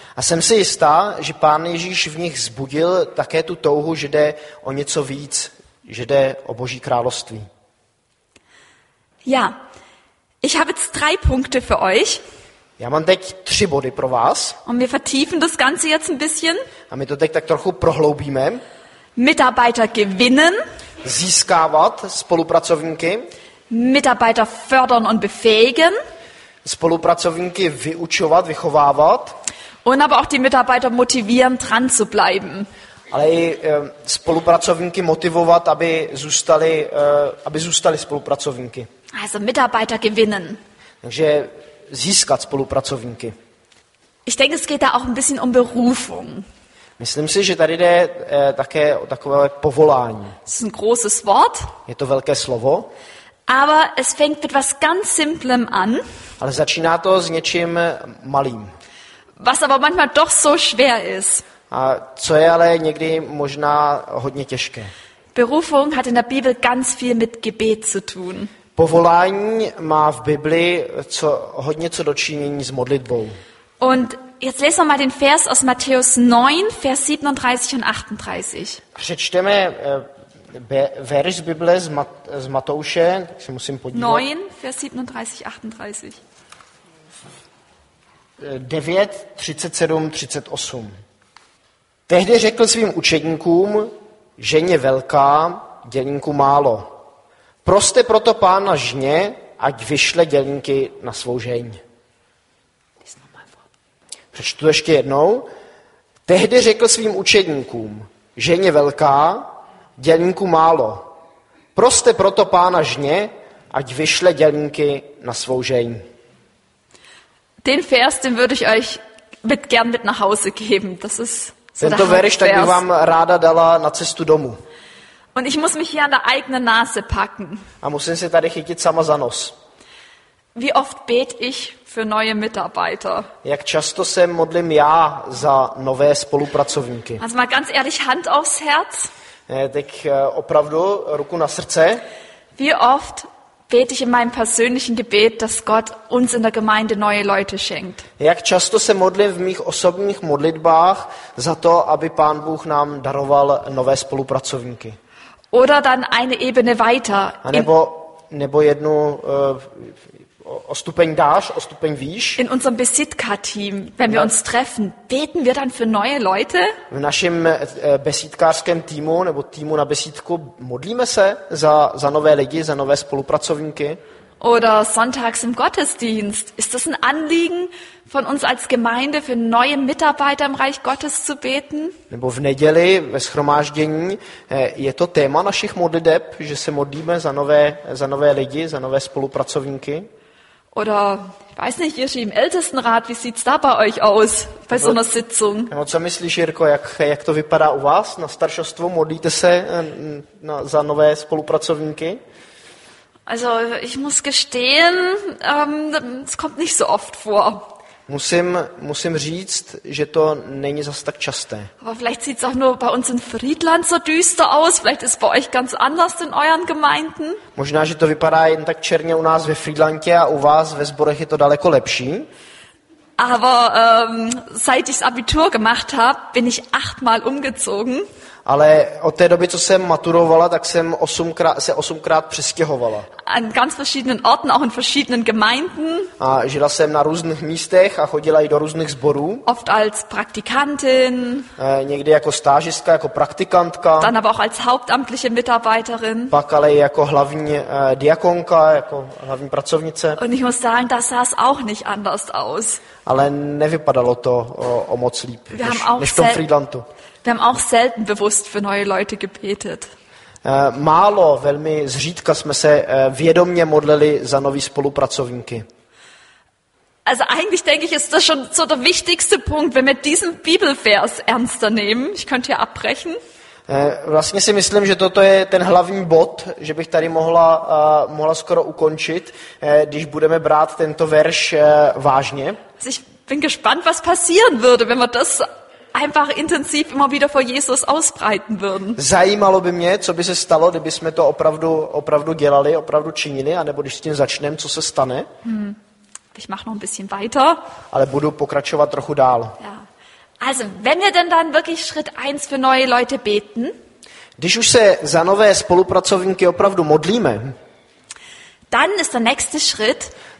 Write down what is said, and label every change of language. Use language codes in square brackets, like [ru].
[cs] A jsem si jistá, že Pán Ježíš v nich vzbudil také tu touhu, že jde o něco víc, že jde o Boží království. [de] Ja, ich habe jetzt drei Punkte für euch. [cs] Já mám teď tři body pro vás. [de] Und wir vertiefen das Ganze jetzt ein bisschen. [cs] A my to teď tak trochu prohloubíme. [de] Mitarbeiter gewinnen. [cs] Získávat spolupracovníky. [de] Mitarbeiter fördern und befähigen. [cs] Spolupracovníky vyučovat, vychovávat. [de] Und aber auch die Mitarbeiter motivieren, dran zu bleiben. [cs] Ale i spolupracovníky motivovat, aby zůstali spolupracovníky. [de] Also Mitarbeiter gewinnen. [cs] Takže získat spolupracovníky. [de] Ich denke, es geht da auch ein bisschen um Berufung. [cs] Myslím si, že tady jde také o takové povolání. [de] Das ist ein großes Wort. [cs] Je to velké slovo. [de] Aber es fängt mit was ganz simplem an. [cs] Ale začíná to s něčím malým. [de] Was aber manchmal doch so schwer ist. [cs] A co je ale někdy možná hodně těžké. [de] Berufung hat in der Bibel ganz viel mit Gebet zu tun. [cs] Povolání má v Bibli hodně co dočinění s modlitbou. [de] Und jetzt lesen wir mal den Vers aus Matthäus 9, Vers 37 und 38. [cs] Přečteme verš z Bible z Matouše, tak se musím podívat. [de] 9, Vers 37, 38. [cs] 9, 37, 38. Tehdy řekl svým učedníkům, ženě velká, dělníků málo. Proste proto pána žně, ať vyšle dělníky na svou žeň. Přečtu ještě jednou. Tehdy řekl svým učedníkům, ženě velká, dělníků málo. Proste proto pána žně, ať vyšle dělníky na svou žeň. Ten vers, [de] den würde ich euch mit gern mit nach Hause geben. Das ist [cs] Tento verš tak bych vám ráda dala na cestu domů. [de] Und ich muss mich hier an der eigenen Nase packen. [cs] A musím se tady chytit sama za nos. [de] Wie oft bet ich für neue Mitarbeiter? [cs] Jak často se modlím já za nové spolupracovníky? [de] Also mal ganz ehrlich, Hand aufs Herz. [cs] Tak opravdu ruku na srdce. [de] Wie oft bete ich in meinem persönlichen Gebet, dass Gott uns in der Gemeinde neue Leute schenkt. [cs] Jak často se modlím v mých osobních modlitbách za to, aby Pán Bůh nám daroval nové spolupracovníky. [de] Oder dann eine Ebene weiter. [cs] Nebo jednu o stupeň výš. [de] In unserem Besitka-Team, wenn wir uns treffen, beten wir dann für neue Leute? [cs] V našem besitkářském týmu nebo týmu na besítku modlíme se za nové lidi, za nové spolupracovníky? [de] oder sonntags im Gottesdienst? Ist das ein Anliegen von uns als Gemeinde, für neue Mitarbeiter im Reich Gottes zu beten? [cs] Nebo v neděli ve shromáždění je to téma našich modlitb, že se modlíme za nové lidi, za nové spolupracovníky? [de] Oder ich weiß nicht, Jiří, im Ältestenrat, wie sieht's da bei euch aus bei so einer Sitzung? [cs] No, co myslíš, Jirko, jak to vypadá u vás na staršostvu? Modlíte se za nové spolupracovníky? [de] Also, ich muss gestehen, es kommt nicht so oft vor. [cs] Musím říct, že to není zas tak časté. [de] Aber vielleicht sieht's auch nur bei uns in Friedland so düster aus, vielleicht ist bei euch ganz anders in euren Gemeinden. [cs] Možná, že to vypadá jen tak černě u nás ve Friedlandě a u vás ve sborech je to daleko lepší. [de] Aber seit ich's Abitur gemacht habe, bin ich 8-mal umgezogen. [cs] Ale od té doby, co jsem maturovala, tak jsem osmkrát přestěhovala. [de] An ganz verschiedenen Orten, auch in verschiedenen Gemeinden. [cs] A žila jsem na různých místech a chodila i do různých sborů. [de] Oft als Praktikantin. [cs] Někdy jako stážistka, jako praktikantka. [de] Dann aber auch als hauptamtliche Mitarbeiterin. [cs] Pak ale i jako hlavní diakonka, jako hlavní pracovnice. [de] Und ich muss sagen, das sah auch nicht anders aus. [cs] Ale nevypadalo to o moc líp, než v tom Friedlandu. [de] Wir haben auch selten bewusst für neue Leute gebetet. [cs] Málo, velmi zřídka jsme se vědomně modlili za nový spolupracovníky. [de] Also eigentlich denke ich, ist das schon so der wichtigste Punkt, wenn wir diesen Bibelvers ernster nehmen. Ich könnte ja abbrechen. [cs] Vlastně si myslím, že toto je ten hlavní bod, že bych tady mohla skoro ukončit, když budeme brát tento verš vážně. [de] Also ich bin gespannt, was passieren würde, wenn wir das einfach intensiv immer wieder vor Jesus ausbreiten würden. [cs] Zajímalo by mě, co by se stalo, kdyby jsme to opravdu dělali, opravdu činili, anebo když s tím začneme, co se stane. [de] Ich mach noch ein bisschen weiter. [cs] Ale budu pokračovat trochu dál. [de] Ja. Also, wenn wir denn dann wirklich Schritt 1 für neue Leute beten, [cs] když už se za nové spolupracovníky opravdu modlíme, [de] dann ist der nächste Schritt,